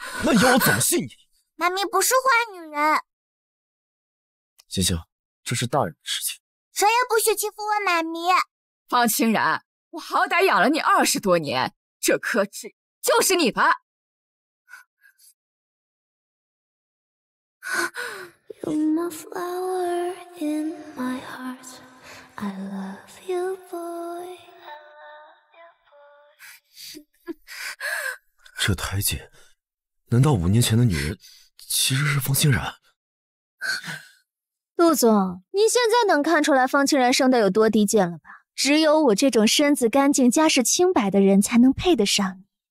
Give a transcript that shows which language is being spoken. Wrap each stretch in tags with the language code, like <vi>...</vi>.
<zh>那要我怎么信你？妈咪不是坏女人。行行，这是大人的事情，谁也不许欺负我妈咪。方青然，我好歹养了你20多年，这颗痣就是你的。</zh> <en>You're my flower in my heart, I love you, boy.</en> <zh>这台阶，难道5年前的女人其实是方青然？陆总，你现在能看出来方青然生得有多低贱了吧？只有我这种身子干净、家世清白的人才能配得上你。</zh>